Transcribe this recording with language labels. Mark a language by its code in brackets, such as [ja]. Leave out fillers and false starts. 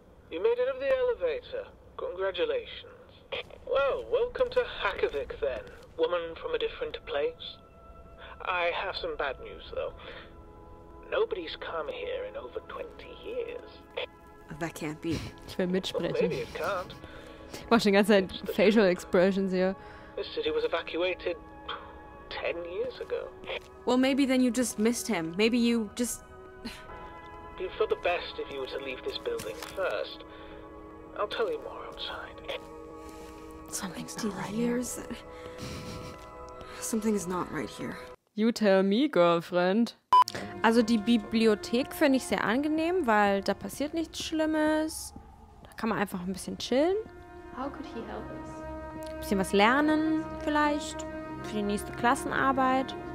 [en] You made it up the elevator. Congratulations. Well, welcome to Hackavik then, woman from a different place. I have some bad news though. Nobody's come here in over 20 years. That can't be. [de] Ich will mitsprechen. [en] Well, maybe it can't. [de] Ich mache schon ganze Zeit [en] facial expressions [de] hier. [en] This city was evacuated 10 years ago. Well, maybe then you just missed him. Maybe you just... You'd feel the best if you were to leave this building first. I'll tell you more outside. Something's not right here. Something is not right here. You tell me, girlfriend. [de] Also die Bibliothek finde ich sehr angenehm, weil da passiert nichts Schlimmes. Da kann man einfach ein bisschen chillen. [en] How could he help us? [de] Ein bisschen was lernen vielleicht für die nächste Klassenarbeit.